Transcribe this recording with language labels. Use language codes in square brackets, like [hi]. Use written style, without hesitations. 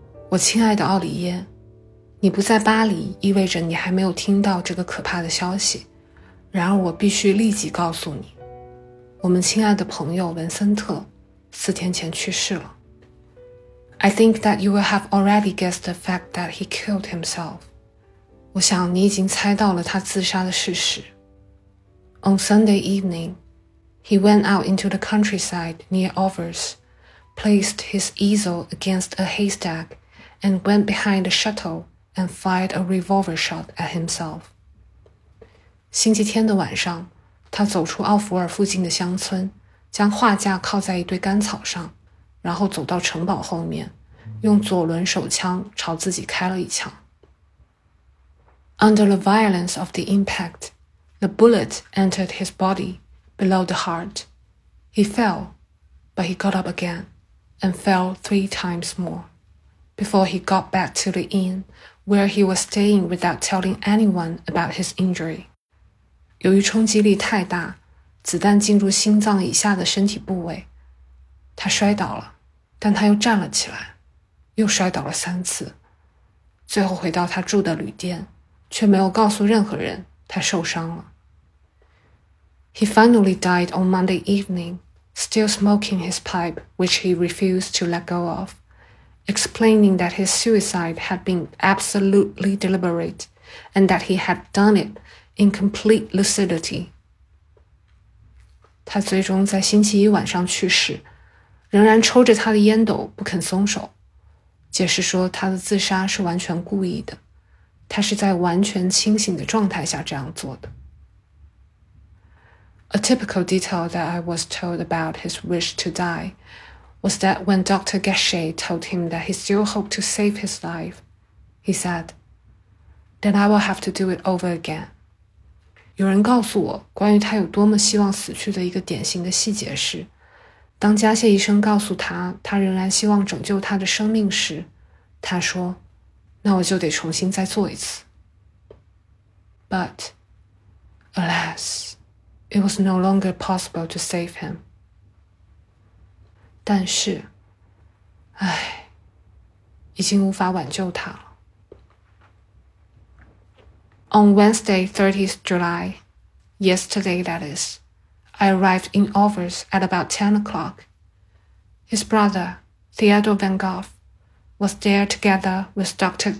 [zh] 我亲爱的奥里耶，你不在巴黎意味着你还没有听到这个可怕的消息，然而我必须立即告诉你，我们亲爱的朋友文森特4天前去世了。 [en] I think that you will have already guessed the fact that he killed himself. [zh] 我想你已经猜到了他自杀的事实。 [en] On Sunday evening, he went out into the countryside near Overs, placed his easel against a haystack, and went behind a shuttle and fired a revolver shot at himself. [zh] 星期天的晚上，他走出奥弗尔附近的乡村，将画架靠在一堆干草上，然后走到城堡后面，用左轮手枪朝自己开了一枪。 [en] Under the violence of the impact, the bullet entered his body below the heart. He fell, but he got up again, and fell 3 times more, before he got back to the inn where he was staying without telling anyone about his injury. [zh] 由于冲击力太大，子弹进入心脏以下的身体部位，他摔倒了，但他又站了起来，又摔倒了3次，最后回到他住的旅店，却没有告诉任何人他受伤了。 [en] He finally died on Monday evening, still smoking his pipe, which he refused to let go of, explaining that his suicide had been absolutely deliberate and that he had done it in complete lucidity. [zh] 他最终在星期一晚上去世，仍然抽着他的烟斗不肯松手，解释说他的自杀是完全故意的，他是在完全清醒的状态下这样做的。 [en] A typical detail that I was told about his wish to die was that when Dr. Gachet told him that he still hoped to save his life, he said, Then I will have to do it over again. [zh] 有人告诉我关于他有多么希望死去的一个典型的细节是，当加谢医生告诉他他仍然希望拯救他的生命时，他说，那我就得重新再做一次。 [en] But alas, it was no longer possible to save him. [zh] 但是唉，已经无法挽救他了。 [en] On Wednesday 30th July, yesterday that is,I arrived in Overs at about 10 o'clock. His brother, Theodore Van Gogh, was there together with Dr.